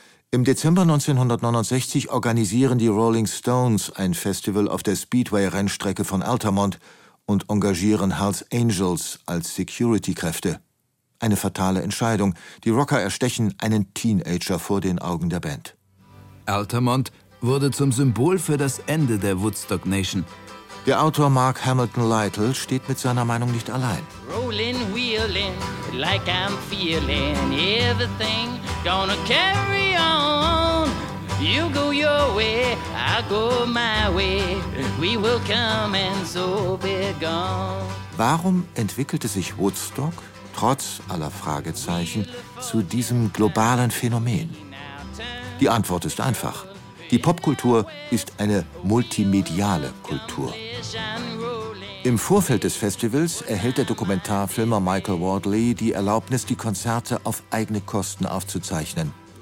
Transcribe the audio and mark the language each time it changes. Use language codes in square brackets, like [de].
[de] Im Dezember 1969 organisieren die Rolling Stones ein Festival auf der Speedway-Rennstrecke von Altamont und engagieren Hells Angels als Security-Kräfte. Eine fatale Entscheidung. Die Rocker erstechen einen Teenager vor den Augen der Band. Altamont wurde zum Symbol für das Ende der Woodstock Nation. Der Autor Mark Hamilton Lytle steht mit seiner Meinung nicht allein. [en] Rolling, wheeling, like I'm feeling. Everything gonna carry on. You go your way, I go my way. We will come and so be gone. [de] Warum entwickelte sich Woodstock trotz aller Fragezeichen zu diesem globalen Phänomen? Die Antwort ist einfach. Die Popkultur ist eine multimediale Kultur. Im Vorfeld des Festivals erhält der Dokumentarfilmer Michael Wardley die Erlaubnis, die Konzerte auf eigene Kosten aufzuzeichnen.